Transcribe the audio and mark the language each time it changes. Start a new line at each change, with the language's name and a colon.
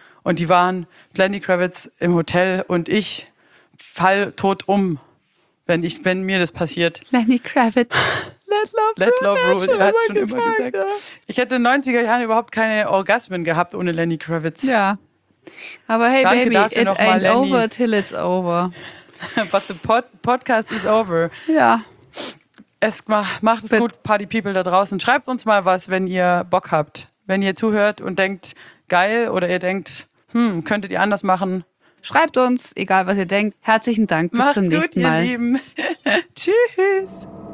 German: Und die waren Lenny Kravitz im Hotel und ich fall tot um, wenn mir das passiert. Lenny Kravitz. Let Love Rule, er hat es schon immer gesagt. Ich hätte in den 90er Jahren überhaupt keine Orgasmen gehabt ohne Lenny Kravitz. Ja. Aber hey, danke,
English: Baby, it ain't over till it's over. But the podcast is over.
German: Ja. Es macht es gut, Party People da draußen. Schreibt uns mal was, wenn ihr Bock habt. Wenn ihr zuhört und denkt, geil, oder ihr denkt, könntet ihr anders machen. Schreibt uns, egal was ihr denkt. Herzlichen Dank, bis macht's zum nächsten gut, Mal. Macht's gut, ihr Lieben. Tschüss.